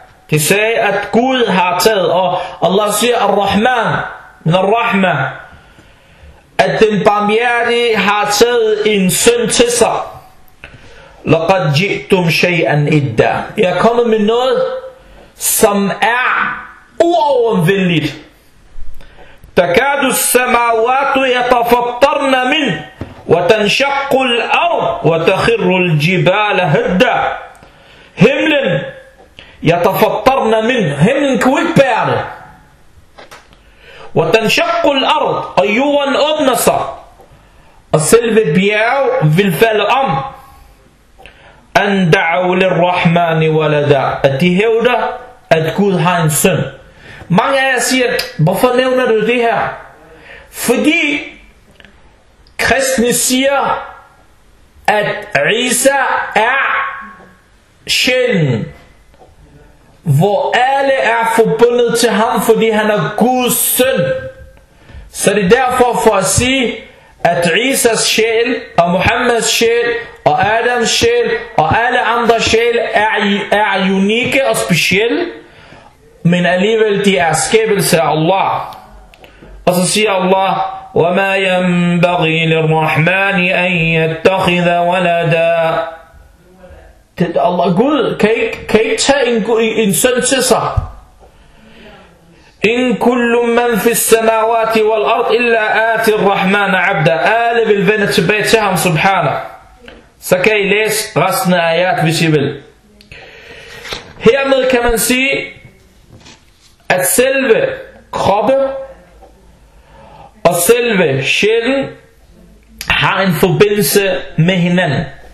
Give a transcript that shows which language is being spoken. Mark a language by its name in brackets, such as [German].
[Danish] Det sagde, at Gud har taget, og Allah siger, Ar-Rahman, Ar-Rahma, at den barmhjertige har taget en søn til sig. [Arabic] لقد جئتم شيئا إدا. [Danish] I er kommet med noget, som er uovervindeligt. [Arabic] تكاد السماوات يتفطرن منه وتنشق الأرض وتخر الجبال هدا. [Danish] Himlen [Arabic] يتفطرن منه. [Danish] Himlen kunne ikke bære det. [Arabic] وتنشق الأرض [Danish] og jorden åbner sig. Og selve bjerget vil falde om. [Arabic] أن دعوا للرحمن ولدا. [Danish] At de hævder, at Gud har en søn. Mange af jer siger, hvorfor nævner du det her? Fordi kristne siger, at Isa er sjælen, hvor alle er forbundet til ham, fordi han er Guds søn. Så det er derfor for at sige, at Isas sjæl og Muhammeds sjæl og Adams sjæl og alle andre sjæl er unikke og specielle, men alligevel de er skabelse af Allah. Og så siger Allah, [Arabic] وَمَا يَنْبَغِي لِلْرَحْمَنِ أَنْ يَتَّخِذَ وَلَدًا. [Danish] Allah, Gud, kan ikke tage en søn til sig. [Arabic] إن كل من في السماوات والأرض إلا آت الرحمن عبدا. [Danish] Alle vil vende tilbage til ham, subhanah. Så kan I læse resten af ayat, hvis I vil. Hermed kan man sige, at selve kroppen og selve sjælen har en forbindelse med hinanden.